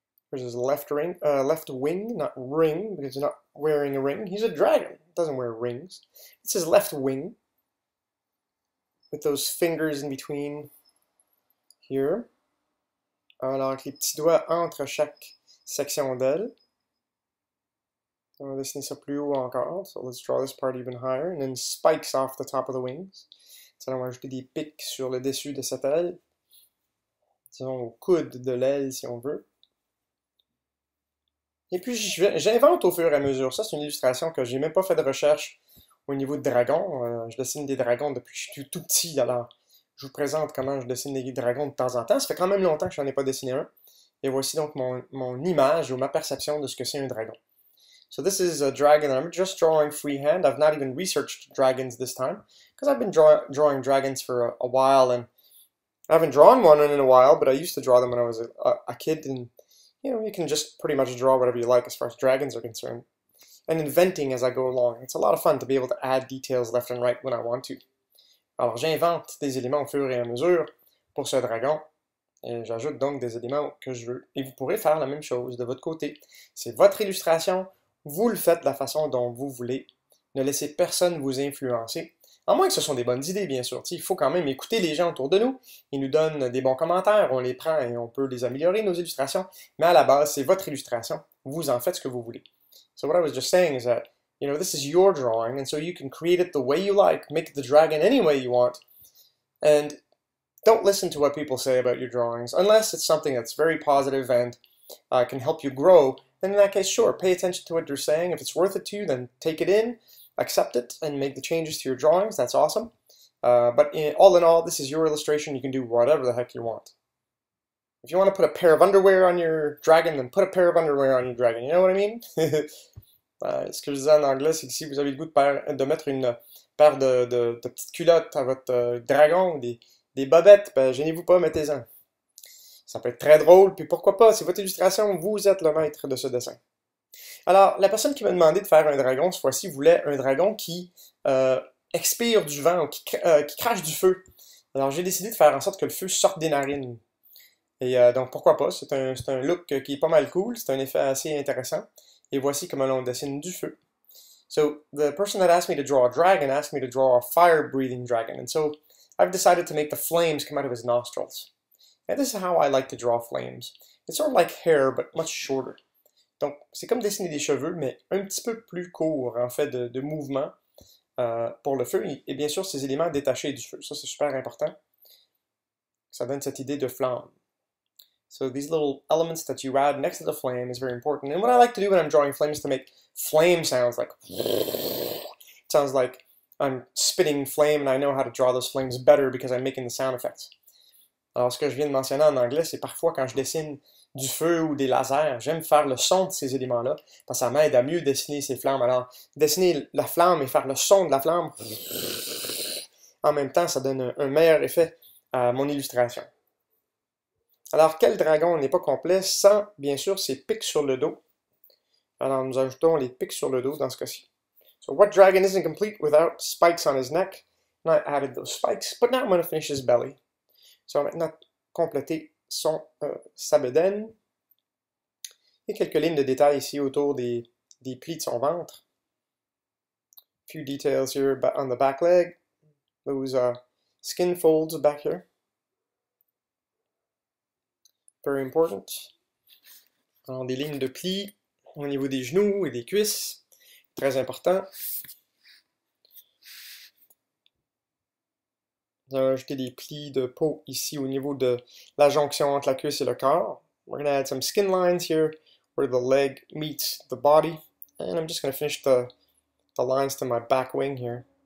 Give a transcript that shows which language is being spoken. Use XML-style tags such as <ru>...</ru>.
<en>Here's his left wing, not ring, because he's not wearing a ring. He's a dragon, he doesn't wear rings. It's his left wing, with those fingers in between here.</en> <fr>Alors, avec les petits doigts entre chaque section d'aile. On va dessiner ça plus haut encore.</fr> <en>So let's draw this part even higher. And then spikes off the top of the wings.</en> <fr>Ça va ajouter des pics sur le dessus de cette aile. Disons au coude de l'aile si on veut. Et puis j'invente au fur et à mesure. Ça, c'est une illustration que j'ai même pas fait de recherche au niveau de dragon. Je dessine des dragons depuis que je suis tout petit. Alors, je vous présente comment je dessine des dragons de temps en temps. Ça fait quand même longtemps que je n'en ai pas dessiné un. Et voici donc mon image ou ma perception de ce que c'est un dragon.</fr> <en>So this is a dragon that I'm just drawing freehand. I've not even researched dragons this time because I've been drawing dragons for a while, and I haven't drawn one in a while, but I used to draw them when I was a kid. And you know, you can just pretty much draw whatever you like as far as dragons are concerned, and inventing as I go along. It's a lot of fun to be able to add details left and right when I want to.</en> <fr>Alors j'invente des éléments au fur et à mesure pour ce dragon, et j'ajoute donc des éléments que je veux. Et vous pourrez faire la même chose de votre côté. C'est votre illustration, vous le faites de la façon dont vous voulez. Ne laissez personne vous influencer. À moins que ce sont des bonnes idées, bien sûr. Il faut quand même écouter les gens autour de nous. Ils nous donnent des bons commentaires, on les prend et on peut les améliorer, nos illustrations. Mais à la base, c'est votre illustration. Vous en faites ce que vous voulez.</fr> <en>So what I was just saying is that, you know, this is your drawing, and so you can create it the way you like, make the dragon any way you want. And don't listen to what people say about your drawings, unless it's something that's very positive and can help you grow. And in that case, sure, pay attention to what they're saying. If it's worth it to you, then take it in, accept it, and make the changes to your drawings. That's awesome. All in all, this is your illustration. You can do whatever the heck you want. If you want to put a pair of underwear on your dragon, then put a pair of underwear on your dragon. You know what I mean?</en> <fr>Ce que je disais en anglais, c'est que si vous avez le goût de mettre une paire de petites culottes à votre dragon, des bobettes, ben gênez-vous pas, mettez-en. Ça peut être très drôle, puis pourquoi pas, c'est votre illustration, vous êtes le maître de ce dessin. Alors, la personne qui m'a demandé de faire un dragon, cette fois-ci, voulait un dragon qui expire du vent, ou qui crache du feu. Alors, j'ai décidé de faire en sorte que le feu sorte des narines. Et donc, pourquoi pas, c'est un look qui est pas mal cool, c'est un effet assez intéressant. Et voici comment on dessine du feu.</fr> <en>So, the person that asked me to draw a dragon asked me to draw a fire-breathing dragon. And so, I've decided to make the flames come out of his nostrils. And this is how I like to draw flames. It's sort of like hair, but much shorter.</en> <fr>Donc, c'est comme dessiner des cheveux, mais un petit peu plus court, en fait, de mouvement pour le feu. Et bien sûr, ces éléments détachés du feu. Ça, c'est super important. Ça donne cette idée de flamme.</fr> <en>So these little elements that you add next to the flame is very important. And what I like to do when I'm drawing flames is to make flame sounds like... It sounds like I'm spitting flame, and I know how to draw those flames better because I'm making the sound effects.</en> <fr>Alors, ce que je viens de mentionner en anglais, c'est parfois quand je dessine du feu ou des lasers, j'aime faire le son de ces éléments-là, parce que ça m'aide à mieux dessiner ces flammes. Alors, dessiner la flamme et faire le son de la flamme, en même temps, ça donne un meilleur effet à mon illustration. Alors, quel dragon n'est pas complet sans, bien sûr, ses pics sur le dos? Alors, nous ajoutons les pics sur le dos dans ce cas-ci.</fr> <en>So, what dragon isn't complete without spikes on his neck? And I added those spikes, but now I'm going to finish his belly.</en> <fr>So, maintenant, compléter son sa bedaine. Et quelques lignes de détails ici autour des plis de son ventre.</fr> <en>A few details here on the back leg. Those skin folds back here. Very important.</en> <fr>Alors, des lignes de plis au niveau des genoux et des cuisses. Très important. Ajouter des plis de peau ici au niveau de la jonction entre la cuisse et le corps.</fr> <en>We're going to add some skin lines here where the leg meets the body. And I'm just going to finish the lines to my back wing here.</en>